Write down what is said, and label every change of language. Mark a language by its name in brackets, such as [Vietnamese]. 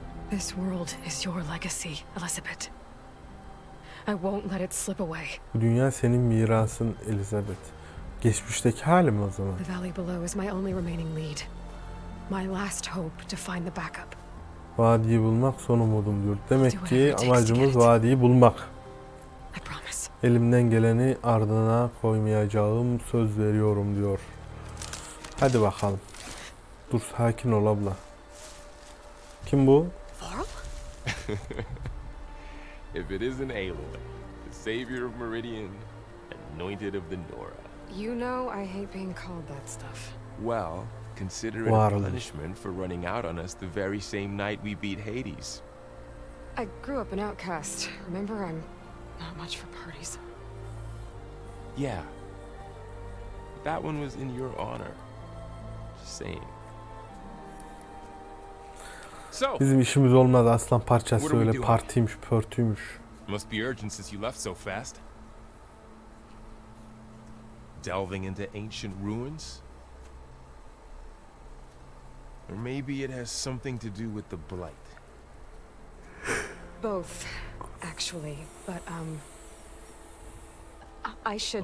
[English] This world is your legacy, Elizabeth. I won't let it slip away. [Turkish] Bu dünya senin mirasın, Elizabeth. Geçmişteki halim o zaman. [English] The valley below is my only remaining lead. My last hope to find the backup. [Turkish] Vadiyi bulmak son umudum diyor. Demek ki amacımız vadiyi bulmak. Elimden geleni ardına koymayacağım, söz veriyorum diyor. Hadi bakalım. Dur sakin ol abla. Kim bu? [English] If it isn't Aloy, the savior of Meridian, anointed of the Nora. You know I hate being called that stuff. Well, consider it a punishment for running out on us the very same night we beat Hades. I grew up an outcast. Remember, I'm not much for parties. Yeah. That one was in your honor. Just saying. [Turkish] So, bizim işimiz olmadı aslan parçası, öyle partiymiş, pörtüymüş. [English] Must be urgent since you left so fast. Delving into ancient ruins? Or maybe it has something to do with the blight. Both, actually, but I should.